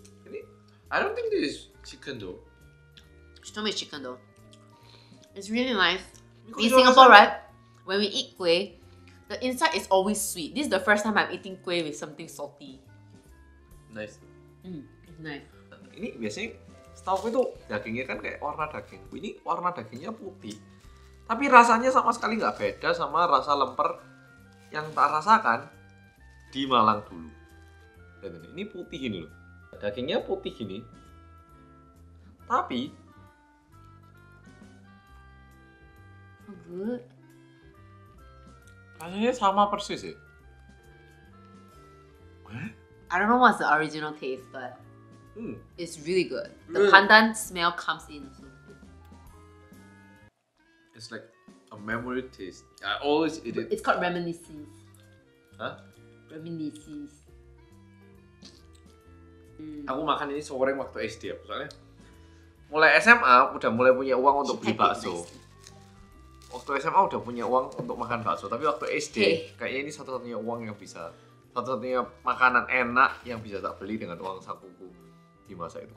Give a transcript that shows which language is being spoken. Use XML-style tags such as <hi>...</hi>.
<en>Ini, I don't think this is chicken though. She told me it's chicken though. It's really nice. In Singapore, right? When we eat kueh, the inside is always sweet. This is the first time I'm eating kueh with something salty. Nice. It's nice.</en> <id>Ini biasanya, setahu aku itu dagingnya kan kayak warna daging. Ini warna dagingnya putih. Tapi rasanya sama sekali nggak beda sama rasa lemper yang tak rasakan di Malang dulu. Dan ini putih ini loh. Dagingnya putih ini. Tapi</id> <en>good.</en> <id>Rasanya sama persis ya.</id> <en>I don't know what's the original taste, but it's really good. The pandan smell comes in. It's like a memory taste. I always eat it. It's called reminiscence. Huh? Reminiscence.</en> <id>Aku makan ini sore waktu SD ya, soalnya mulai SMA udah mulai punya uang untuk beli bakso. Waktu SMA udah punya uang untuk makan bakso, tapi waktu SD kayaknya ini satu-satunya uang yang bisa, satu-satunya makanan enak yang bisa tak beli dengan uang sakuku di masa itu.</id>